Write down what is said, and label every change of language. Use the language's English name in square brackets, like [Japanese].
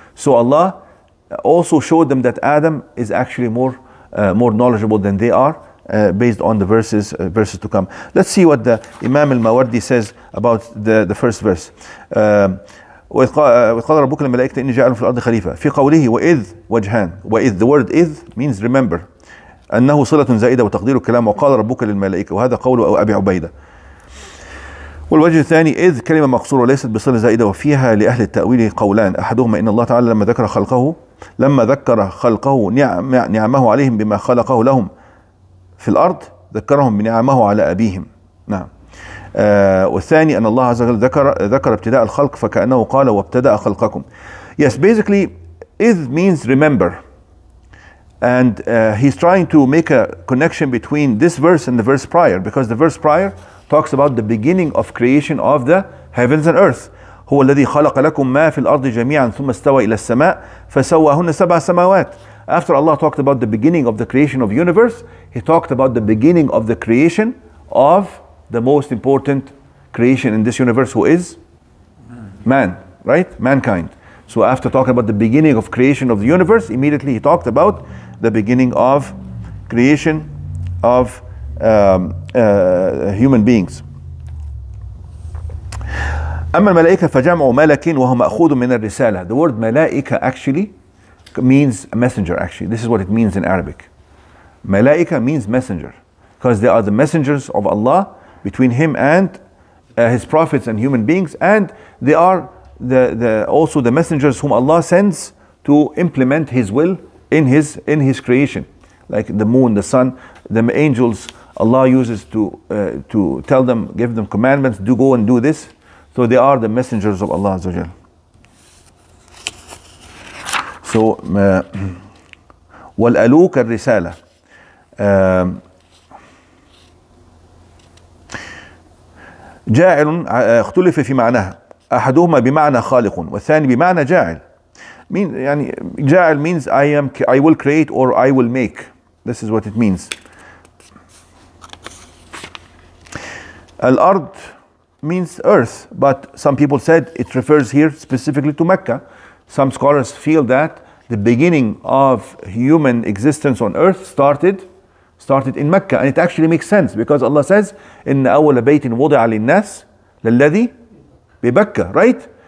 [English] So Allah also showed them that Adam is actually more knowledgeable than they are, based on the verses to come. Let's see what the Imam al-Mawardi says about the first verse. [Arabic] وَقَالَ رَبُّكَ الْمَلَائِكَةِ إِنِّي جَعَلُ فِي الْأَرْضِ خَلِيفَةً فِي قَوْلِهِ وَإِذْ وَجْهَانَ وَإِذْ. [English] The word إِذْ means remember. [Arabic] أنه صلة زائدة وتقدير الكلام وقال ربك للملائكة وهذا قول أبي عبيدة. والوجه الثاني إذ كلمة مقصورة ليست بصلة زائدة وفيها لأهل التأويل قولان، أحدهما إن الله تعالى لما ذكر خلقه نعمه عليهم بما خلقه لهم في الأرض ذكرهم بنعمه على أبيهم. نعم. والثاني أن الله عز وجل ذكر ابتداء الخلق فكأنه قال وابتدأ خلقكم. [English] Yes, basically إذ means remember. And he's trying to make a connection between this verse and the verse prior, because the verse prior talks about the beginning of creation of the heavens and earth. [Arabic] هو الذي خلق لكم ما في الأرض جميعا ثم استوى إلى السماء فسواهن سبع سماوات. [English] After Allah talked about the beginning of the creation of universe, He talked about the beginning of the creation of the most important creation in this universe, who is man, right? Mankind. So after talking about the beginning of creation of the universe, immediately he talked about the beginning of creation of human beings. [Arabic] أما الملائكة فجمعوا ملك وهو مأخوذ من الرسالة. [English] The word ملائكة actually means a messenger. Actually, this is what it means in Arabic. ملائكة means messenger, because they are the messengers of Allah between Him and His prophets and human beings, and they are the also the messengers whom Allah sends to implement His will in His creation, like the moon, the sun, the angels. Allah uses to tell them, give them commandments, do go and do this. So they are the messengers of Allah Azza wa Jal. So [Arabic] والألوك الرسالة. جاعل اختلف في معناها، أحدهما بمعنى خالق والثاني بمعنى جاعل. [English] Mean, [Arabic] يعني جاعل [English] means I will create or I will make. This is what it means. الأرض means earth, but some people said it refers here specifically to Mecca. Some scholars feel that the beginning of human existence on earth started in Mecca, and it actually makes sense because Allah says in [Arabic] أول بيت وضع للناس للذي ببكة, [English] right?